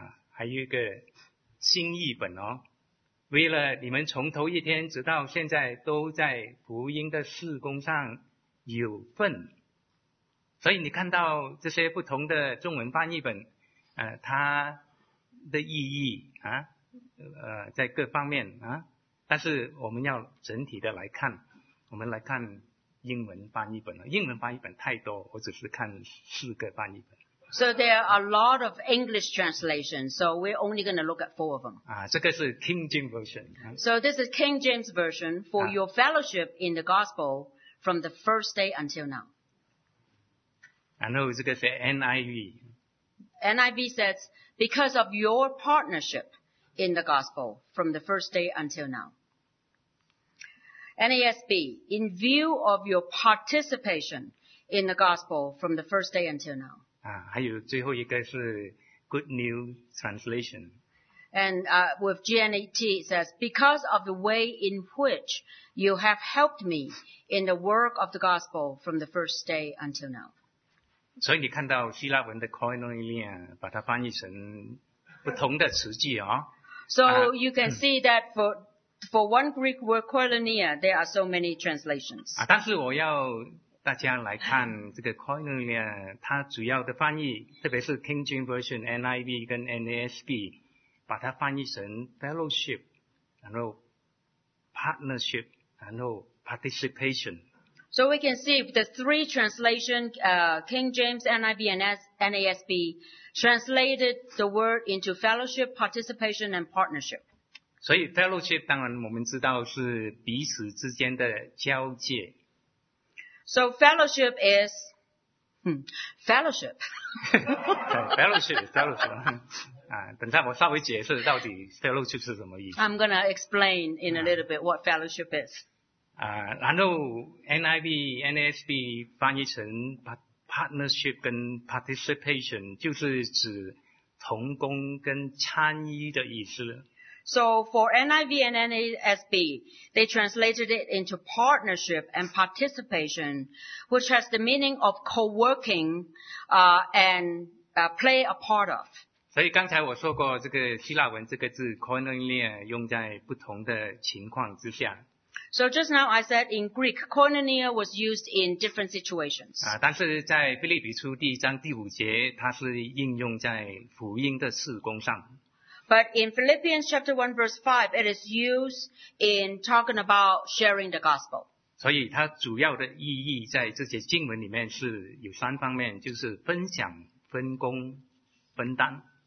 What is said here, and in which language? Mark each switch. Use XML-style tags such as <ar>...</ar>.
<zh>还有一个新译本哦为了你们从头一天直到现在都在福音的事工上有份所以你看到这些不同的中文翻译本它的意义在各方面但是我们要整体的来看我们来看英文翻译本英文翻译本太多我只是看四个翻译本</zh> <en>So there are a lot of English translations, so we're only going to look at four of them.</en> <zh>这个是 King James Version.</zh> <en>So this is King James Version for your fellowship in the gospel from the first day until now. I know</en> <zh>这个是 NIV.</zh> <en>NIV says, because of your partnership in the gospel from the first day until now. NASB, in view of your participation in the gospel from the first day until now.</en> <zh>还有最后一个是 Good News Translation.</zh> <en>And with GNET, it says, Because of the way in which you have helped me in the work of the gospel from the first day until now.</en> <zh>所以你看到希腊文的 koinonia 把它翻译成不同的词句哦。</zh> <en>So you can see that for one Greek word koinonia, there are so many translations.</en> <zh>但是我要大家来看这个 koinonia 它主要的翻译特别是 King James Version NIV 跟 NASB 把它翻译成 fellowship 然后 partnership 然后 participation</zh> <en>So we can see the three translations King James, NIV and NASB translated the word into fellowship, participation and partnership</en> <zh>所以 fellowship 当然我们知道是彼此之间的交接</zh> <en>So fellowship is fellowship. fellowship.</en> <zh>等下我稍微解释到底 fellowship 是什么意思。</zh> <en>I'm gonna explain in a little bit what fellowship is.</en> <zh>然后 NIV, NASB 翻译成 partnership 跟 participation 就是指同工跟参与的意思。</zh> <en>So for NIV and NASB, they translated it into partnership and participation, which has the meaning of co-working play a part of.</en> <zh>所以刚才我说过，这个希腊文这个字 koinonia 用在不同的情况之下。</zh> <en>So just now I said in Greek, koinonia was used in different situations.</en> <zh>啊，但是在腓立比书第一章第五节，它是应用在福音的事工上。</zh> <en>But in Philippians chapter 1 verse 5, it is used in talking about sharing the gospel.</en> <zh>所以它主要的意义在这些经文里面是有三方面，就是分享、分工、分担。</zh>